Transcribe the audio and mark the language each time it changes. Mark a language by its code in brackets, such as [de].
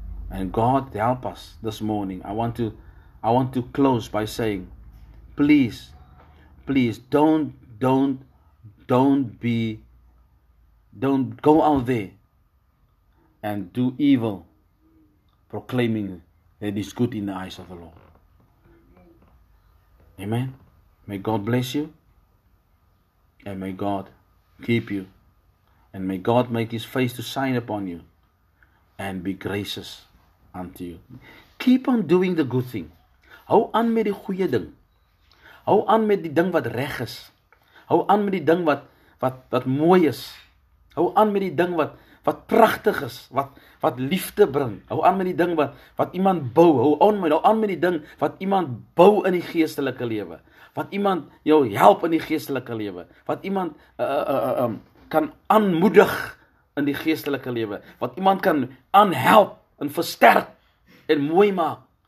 [en] And God, help us this morning. I want to close by saying, please don't go out there and do evil proclaiming that it is good in the eyes of the Lord. Amen. May God bless you, and may God keep you, and may God make his face to shine upon you and be gracious unto you. Keep on doing the good thing. [af] Hou aan met die goeie ding. Hou aan met die ding wat reg is. Hou aan met die ding wat mooi is. Hou aan met die ding wat pragtig is, wat liefde bring. Hou aan met die ding wat iemand bou. Hou aan met die ding wat iemand bou in die geestelike lewe. Wat iemand jou help in die geestelike lewe. Wat iemand kan aanmoedig in die geestelike lewe. Wat iemand kan aanhelp en versterk en mooi maak.